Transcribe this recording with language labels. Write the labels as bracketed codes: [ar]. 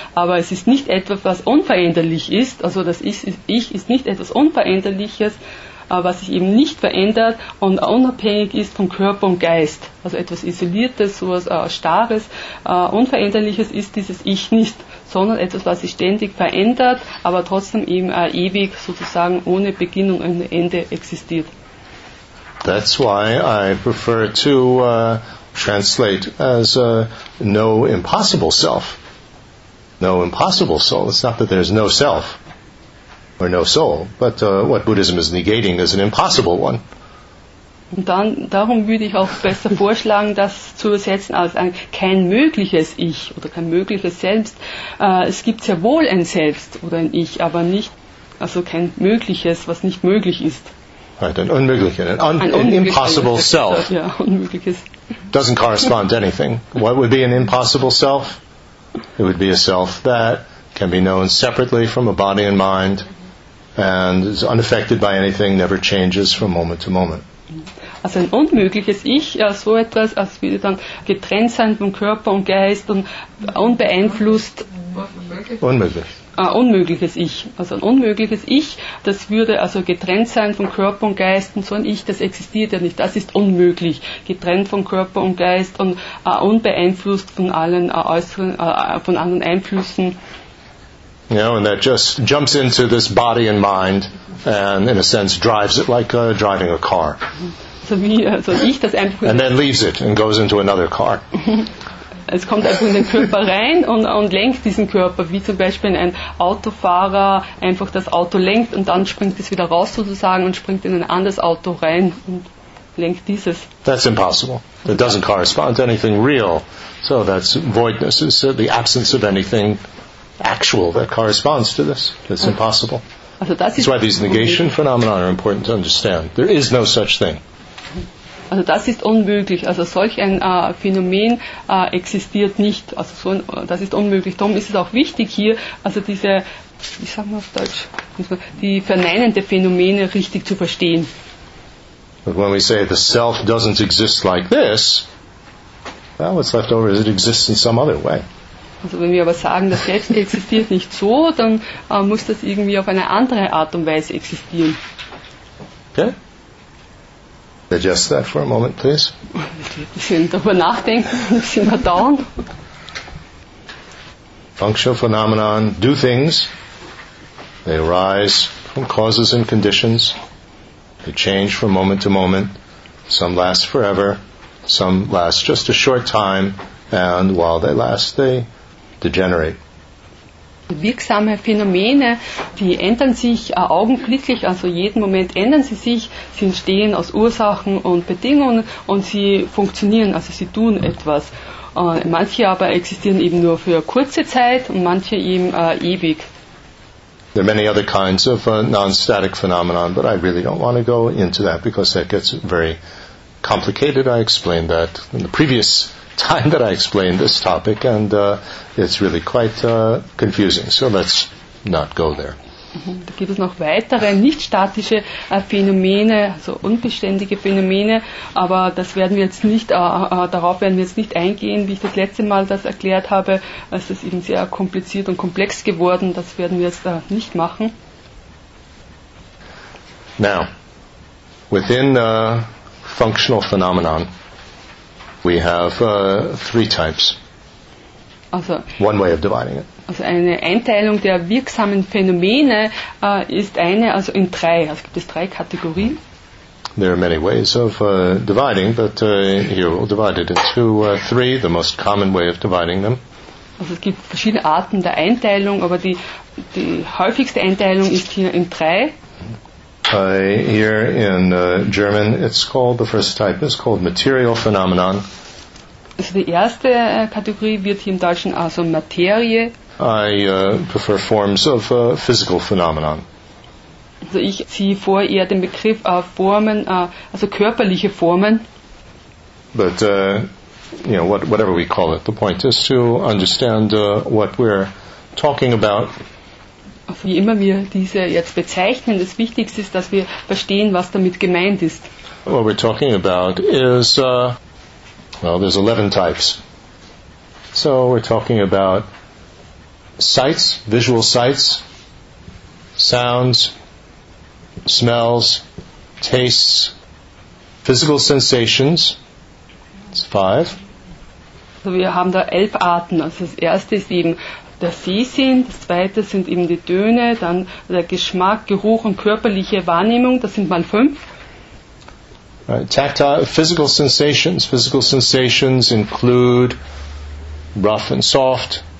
[de] Aber es ist nicht etwas, was unveränderlich ist. Also das Ich ist nicht etwas Unveränderliches, was sich eben nicht verändert und unabhängig ist vom Körper und Geist. Also etwas Isoliertes, sowas Starres, Unveränderliches ist dieses Ich nicht, sondern etwas, was sich ständig verändert, aber trotzdem eben ewig sozusagen ohne Beginn und ohne Ende existiert. [en] That's why I prefer to translate as no impossible self. No impossible soul. It's not that there's no self or no soul, but what Buddhism is negating is an impossible one. [de] Und dann darum würde ich auch besser vorschlagen, das zu ersetzen als ein kein mögliches Ich oder kein mögliches Selbst. Es gibt sehr wohl ein Selbst oder ein Ich, aber nicht, also kein mögliches, was nicht möglich ist. [en] Right, an unmögliches, an impossible self. [de] Ja, unmögliches. [en] Doesn't correspond to anything. What would be an impossible self? It would be a self that can be known separately from a body and mind, and is unaffected by anything, never changes from moment to moment. [de] Also ein unmögliches Ich, so etwas, als würde dann getrennt sein vom Körper und Geist und unbeeinflusst. Unmöglich. Unmögliches Ich. Also ein unmögliches Ich, das würde also getrennt sein vom Körper und Geist, und so ein Ich, das existiert ja nicht. Das ist unmöglich. Getrennt vom Körper und Geist und unbeeinflusst von allen äußeren, von anderen Einflüssen. [en] You know, and that just jumps into this body and mind and in a sense drives it like driving a car. [de] So wie, also ich das einfach [en] and then leaves it and goes into another car. [de] Es kommt einfach in den Körper rein und lenkt diesen Körper, wie zum Beispiel ein Autofahrer einfach das Auto lenkt und dann springt es wieder raus sozusagen und springt in ein anderes Auto rein und lenkt dieses. [en] That's impossible. It doesn't correspond to anything real. So that's voidness, it's the absence of anything actual that corresponds to this. It's impossible. [de] Also das ist, [en] that's why these negation phenomena are important to understand. There is no such thing. [de] Also das ist unmöglich. Also solch ein Phänomen existiert nicht. Also so ein, das ist unmöglich. Darum ist es auch wichtig hier, also diese, wie sagen wir auf Deutsch, die verneinende Phänomene richtig zu verstehen. [en] But when we say the self doesn't exist like this, well, what's left over is it exists in some other way. [de] Also wenn wir aber sagen, das Selbst existiert nicht so, dann muss das irgendwie auf eine andere Art und Weise existieren. [en] Okay. Digest that for a moment, please. [de] Ein bisschen darüber nachdenken, ein bisschen verdauen. [en] Functional phenomena do things. They arise from causes and conditions. They change from moment to moment. Some last forever. Some last just a short time. And while they last, they degenerate. [de] Wirksame Phänomene, die ändern sich augenblicklich, also jeden Moment ändern sie sich, sie entstehen aus Ursachen und Bedingungen und sie funktionieren, also sie tun etwas. Manche aber existieren eben nur für kurze Zeit und manche eben ewig. [en] There are many other kinds of non-static phenomena, but I really don't want to go into that because that gets very complicated. I explained that in the previous time that I explained this topic, and it's really quite confusing. So let's not go there. [de] Da gibt es noch weitere nicht statische Phänomene, also unbeständige Phänomene, aber das werden wir jetzt nicht, darauf werden wir jetzt nicht eingehen, wie ich das letzte Mal das erklärt habe. Es ist eben sehr kompliziert und komplex geworden. Das werden wir jetzt nicht machen. [en] Now, within functional phenomenon, we have three types. [de] Also, [en] one way of dividing it. [de] Also eine Einteilung der wirksamen Phänomene ist eine, also in drei. Also gibt es drei Kategorien. [en] There are many ways of dividing, but here we'll divide it into three, the most common way of dividing them. [de] Also es gibt verschiedene Arten der Einteilung, aber die häufigste Einteilung ist hier in drei. [en] Here in German it's called, the first type is called material phenomenon. [de] Also die erste Kategorie wird hier im Deutschen also Materie. [en] I prefer forms of physical phenomenon. [de] Also ich ziehe vor eher den Begriff Formen, also körperliche Formen. [en] But, you know, whatever we call it, the point is to understand what we're talking about. [de] Also wie immer wir diese jetzt bezeichnen, das Wichtigste ist, dass wir verstehen, was damit gemeint ist. [en] What we're talking about is, well, there's 11 types. So we're talking about sights, visual sights, sounds, smells, tastes, physical sensations. It's 5. [de] Also wir haben da 11 Arten. Also das erste ist eben der Sehsinn, das zweite sind eben die Töne, dann der Geschmack, Geruch und körperliche Wahrnehmung, das sind mal 5. [en] Tactile, physical sensations. Physical sensations include rough and soft.